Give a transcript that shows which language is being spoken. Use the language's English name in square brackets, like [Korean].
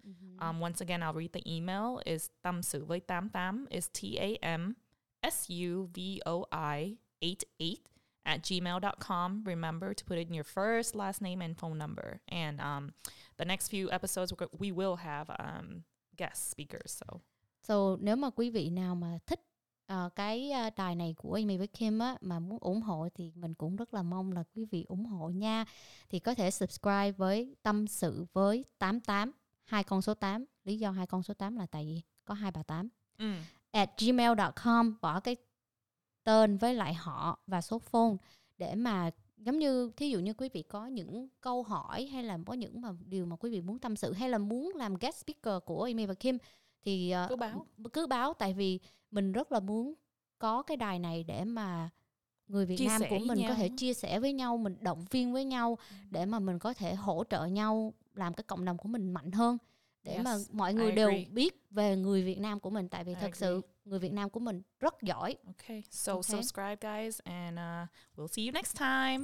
[English] Mm-hmm. Once again, I'll read the email. Is Tam Su Voi Tam Tam is TamSuVoi88 at gmail.com. Remember to put in your first, last name, and phone number. And the next few episodes, we will have guest speakers. So [Vietnamese] nếu mà quý vị nào mà thích cái đài này của Amy với Kim á, mà muốn ủng hộ thì mình cũng rất là mong là quý vị ủng hộ nha. Thì có thể subscribe với Tâm Sự với 88, hai con số 8. Lý do hai con số 8 là tại vì có hai bà 8. Mm. At gmail.com, bỏ cái tên với lại họ và số phone để mà giống như thí dụ như quý vị có những câu hỏi hay là có những mà điều mà quý vị muốn tâm sự hay là muốn làm guest speaker của Amy và Kim thì cứ báo tại vì mình rất là muốn có cái đài này để mà người Việt Nam của mình có thể chia sẻ với nhau, mình động viên với nhau để mà mình có thể hỗ trợ nhau làm cái cộng đồng của mình mạnh hơn, để mà mọi người đều biết về người Việt Nam của mình, tại vì thật sự người Việt Nam của mình rất giỏi. [English] Okay, so subscribe guys and we'll see you next time.